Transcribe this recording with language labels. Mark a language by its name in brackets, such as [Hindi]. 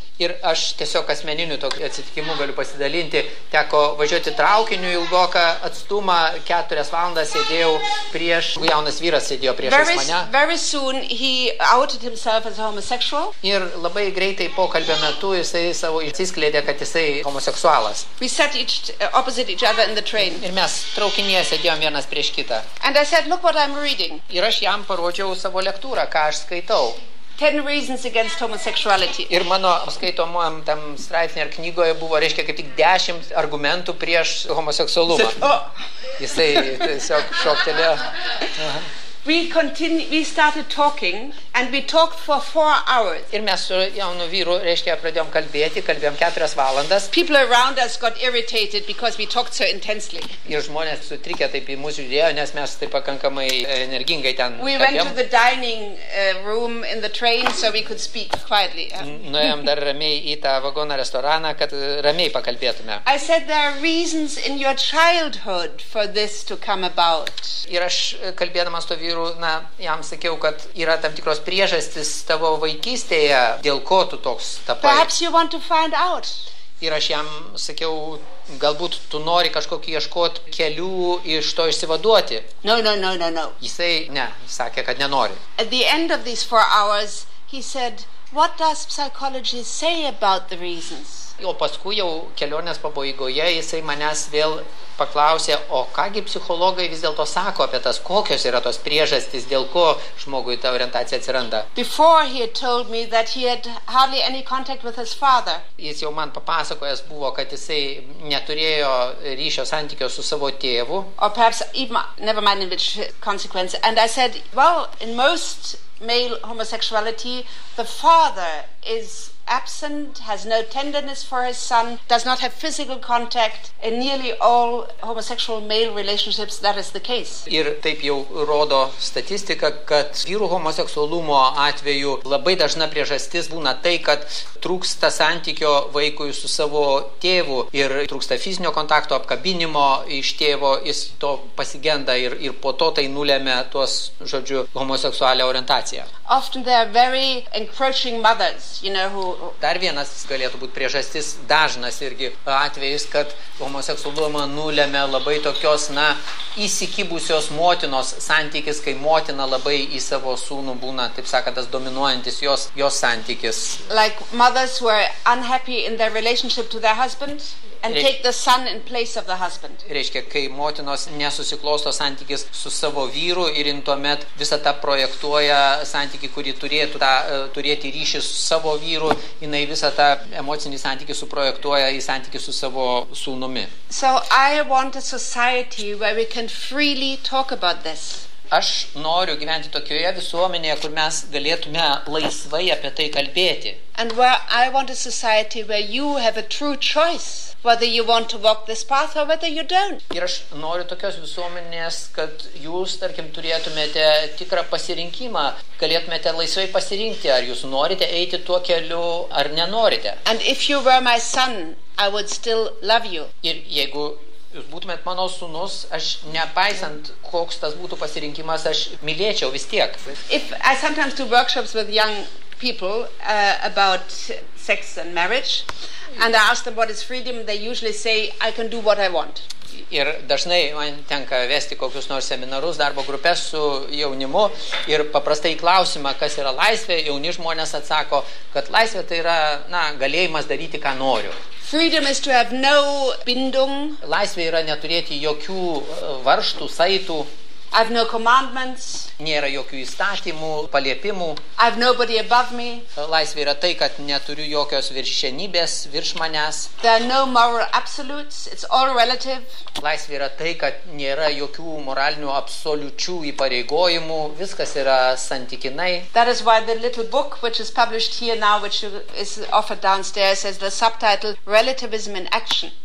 [Lithuanian] Ir aš tiesiog asmeniniu tokiu atsitikimu galiu pasidalinti. Teko važiuoti traukiniu ilgoką atstumą. 4 valandas sėdėjau prieš... Jaunas vyras sėdėjo prieš mane. [English] Very soon he outed himself as homosexual. [Lithuanian] Ir labai greitai pokalbio metu jisai savo išsiskleidė, kad jisai homoseksualas. [English] We sat each, opposite each other in the train. [Lithuanian] Ir mes traukinėje sėdėjom vienas prieš kitą. [English] And I said, look what I'm reading. [Lithuanian] Ir aš jam parodžiau savo lektūrą, ką aš skaitau. [English] 10 reasons against homosexuality. [Lithuanian] Ir mano skaitomam tam straipsnį ar knygoje buvo, reiškia, kaip tik 10 argumentų prieš homoseksualumą. Jisai tiesiog šoktelėjo. [English] We started talking and we talked for 4 hours. [Lithuanian] Ir mes su jaunu vyru, reiškia, pradėjom kalbėti, kalbėjom 4 valandas. [English] People around us got irritated because we talked so intensely. [Lithuanian] Ir žmonės sutrikė taip į mūsų žiūrėjo, nes mes taip pakankamai energingai ten kalbėjom. [English] We went to the dining room in the train so we could speak quietly. [Lithuanian] Nuėjom dar ramiai į tą vagoną restoraną, kad ramiai pakalbėtume. [English] I said there are reasons in your childhood for this to come about. [Lithuanian] Ir aš kalbėdamas to vyru, na, jam sakiau, kad yra tam tikros priežastis tavo vaikystėje, dėl ko tu toks tapai. [English] Perhaps you want to find out. [Lithuanian] Ir aš jam sakiau, galbūt tu nori kažkokį ieškoti kelių iš to išsivaduoti. [English] No. [Lithuanian] Jisai ne, sakė, kad nenori. [English] At the end of these 4 hours, he said, what does psychology say about the reasons? [Lithuanian] O paskui jau kelionės pabaigoje jisai manęs vėl paklausė, o kągi psichologai vis dėlto sako apie tas, kokios yra tos priežastys, dėl ko žmogui ta orientacija atsiranda. [English] Before he had told me that he had hardly any contact with his father. [Lithuanian] Jis jau man papasakojęs buvo, kad jisai neturėjo ryšio santykio su savo tėvu. [English] Or perhaps even, never mind in which consequence. And I said, well, in most male homosexuality, the father is absent, has no tenderness for his son, does not have physical contact. In nearly all homosexual male relationships, that is the case. [Lithuanian] Ir taip jau rodo statistika, kad vyrų homoseksualumo atveju labai dažna priežastis būna tai, kad trūksta santykio vaikui su savo tėvu ir trūksta fizinio kontakto, apkabinimo iš tėvo, jis to pasigenda ir po to tai nulėmė tuos, žodžiu, homoseksualią orientaciją. [English] Often they are very encroaching mothers, you know, who. [Lithuanian] Dar vienas galėtų būti priežastis, dažnas irgi atvejis, kad homoseksualumą nulėmė labai tokios, na, įsikibusios motinos santykis, kai motina labai į savo sūnų būna, taip sakant, tas dominuojantis jos santykis. [English] Like mothers who are unhappy in their relationship to their husband and take the son in place of the husband. [Lithuanian] Reiškia, kai motinos nesusiklosto santykis su savo vyru ir jin tuomet visą tą projektuoja santykį, kurį turėtų tą, turėti ryšį su savo vyru, jinai visą tą emocinį santykį suprojektuoja į santykį su savo sūnumi. [English] So I want a society where we can freely talk about this. [Lithuanian] Aš noriu gyventi tokioje visuomenėje, kur mes galėtume laisvai apie tai kalbėti. [English] And where I want a society where you have a true choice whether you want to walk this path or whether you don't. [Lithuanian] Ir aš noriu tokios visuomenės, kad jūs, tarkim, turėtumėte tikrą pasirinkimą, galėtumėte laisvai pasirinkti, ar jūs norite eiti tuo keliu, ar nenorite. [English] And if you were my son, I would still love you. [Lithuanian] Ir jeigu jūs būtumėt mano sūnus, aš nepaisant, koks tas būtų pasirinkimas, aš mylėčiau vis tiek. [English] If I sometimes do workshops with young people about sex and marriage, and I ask them what is freedom, they usually say, I can do what I want. [Lithuanian] Ir dažnai man tenka vesti kokius nors seminarus, darbo grupės su jaunimu ir paprastai klausimą, kas yra laisvė, jauni žmonės atsako, kad laisvė tai yra, na, galėjimas daryti, ką noriu. [English] Freedom is to have no bindung. [Lithuanian] Laisvė yra neturėti jokių varžtų, saitų. [English] I have no commandments. [Lithuanian] Nėra jokių įstatymų, paliepimų. [English] I have nobody above me. [Lithuanian] Laisvė yra tai, kad neturiu jokios viršenybės virš manęs. [English] There are no moral absolutes. It's all relative. [Lithuanian] Laisvė yra tai, kad nėra jokių moralinių absoliučių įpareigojimų. Viskas yra santykinai. [English] That is why the little book which is published here now, which is offered downstairs, has the subtitle Relativism in Action.